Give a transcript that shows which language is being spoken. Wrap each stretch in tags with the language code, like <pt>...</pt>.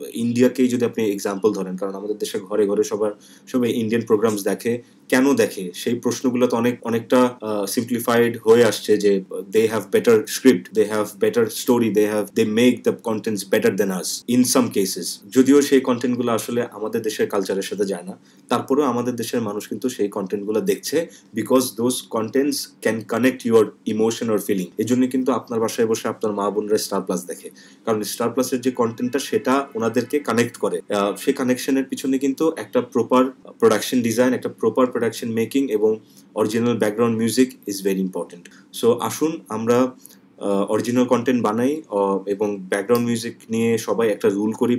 <bn>ইন্ডিয়াকেই যদি আপনি এক্সাম্পল ধরেন, কারণ আমাদের দেশে ঘরে ঘরে সবাই ইন্ডিয়ান প্রোগ্রামস দেখে, কেন দেখে সেই প্রশ্নগুলো তো অনেকটা সিম্পলিফাইড হয়ে আসছে যে</bn> <en>they have better script, they have better story, they make the contents better than us in some cases,</en> <bn>যদিও সেই কন্টেন্টগুলো আসলে আমাদের দেশের কালচারের সাথে যায় না, তারপরেও আমাদের দেশের মানুষ কিন্তু সেই কন্টেন্টগুলো দেখছে</bn> <en>Because those those contents can connect your emotion or feeling.</en> <bn>এই জন্য কিন্তু আপনার বাসায় বসে আপনার মা বোনরা স্টার প্লাস দেখে, কারণ স্টার প্লাসের যে কন্টেন্টটা সেটা ওনাদেরকে কানেক্ট করে। সেই কানেকশনের পিছনে কিন্তু একটা প্রপার প্রোডাকশন ডিজাইন, একটা প্রপার প্রোডাকশন মেকিং এবং original background music</bn> <en>Is very important.</en> <bn>So আসুন আমরা অরিজিনাল কন্টেন্ট বানাই এবং ব্যাকগ্রাউন্ড মিউজিক নিয়ে সবাই একটা রুল করি।</bn>